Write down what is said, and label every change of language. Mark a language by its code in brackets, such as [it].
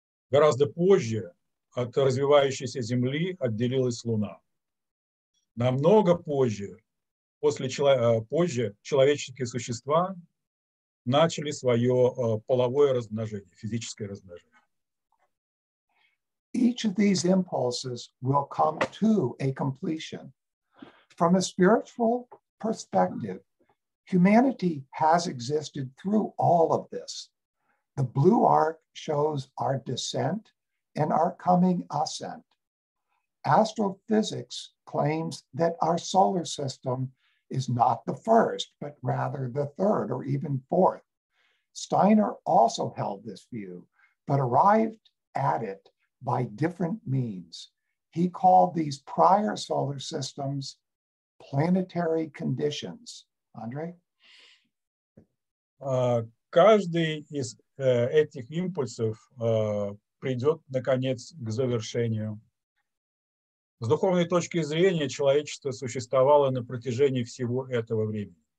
[ru] Гораздо позже от развивающейся Земли отделилась Луна. Намного позже, позже человеческие существа начали свое половое размножение, физическое размножение. [en] Each of these impulses will come to a completion. From a spiritual perspective, humanity has existed through all of this. The blue arc shows our descent and our coming ascent. Astrophysics claims that our solar system is not the first, but rather the third or even fourth. Steiner also held this view, but arrived at it by different means. He called these prior solar systems planetary conditions. Andre? [ru] Каждый из этих импульсов придет, наконец, к завершению. С духовной точки зрения человечество существовало на протяжении всего этого времени.